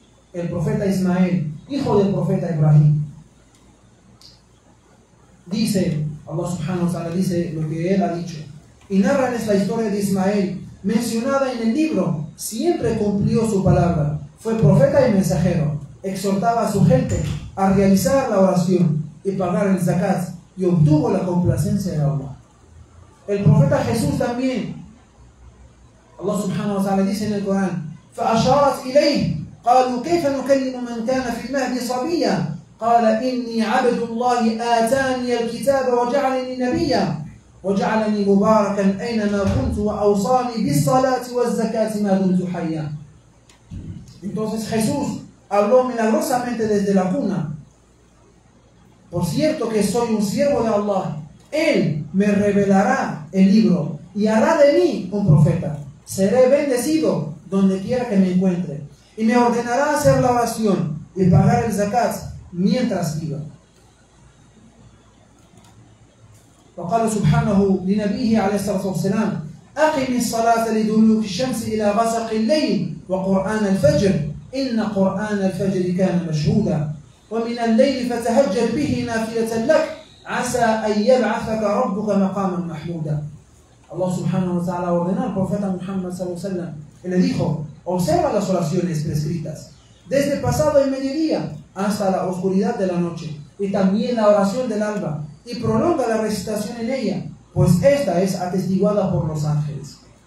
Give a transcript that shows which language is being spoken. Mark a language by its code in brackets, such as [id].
[es] El profeta Ismael, hijo del profeta Ibrahim, dice, Allah subhanahu wa ta'ala dice lo que él ha dicho, y narra la historia de Ismael mencionada en el libro. Siempre cumplió su palabra, fue profeta y mensajero, exhortaba a su gente a realizar la oración y pagar el zakat, y obtuvo la complacencia de Allah. El profeta Jesús también, Allah subhanahu wa ta'ala dice en el Corán: [ar] فَأَشَارَتْ إِلَيْهِ قَالُوا كَيْفَ نُكَلِّمُ مَنْ كَانَ فِي الْمَهْدِ صَبِيًّا قَالَ إِنِّي عَبْدُ اللَّهِ آتَانِيَ الْكِتَابَ وَجَعَلَنِي نَبِيًّا وَجَعَلَنِي مُبَارَكًا أَيْنَمَا كُنْتُ وَأَوْصَانِي بِالصَّلَاةِ وَالزَّكَاةِ مَا دُمْتُ حَيًّا. [es] Entonces Jesús habló milagrosamente desde la cuna: por cierto que soy un siervo de Allah, Él me revelará el libro y hará de mí un profeta. Seré bendecido donde quiera que me encuentre, y me ordenará hacer la oración y pagar el zakat mientras viva. [ar] وقال سبحانه لنبيه عليه الصلاة والسلام: أقم الصلاة لدلوك الشمس إلى غسق الليل وقرآن الفجر إن قرآن الفجر كان مشهودا ومن الليل فتهجد به نافلة لك عسى أن يبعثك ربك مقاما محمودا. [es] Allah subhanahu wa ta'ala ordenó al profeta Muhammad sallallahu alayhi wa sallam y le dijo: observa las oraciones prescritas desde el pasado y mediodía hasta la oscuridad de la noche, y también la oración del alba, y prolonga la recitación en ella, pues esta es atestiguada por los ángeles.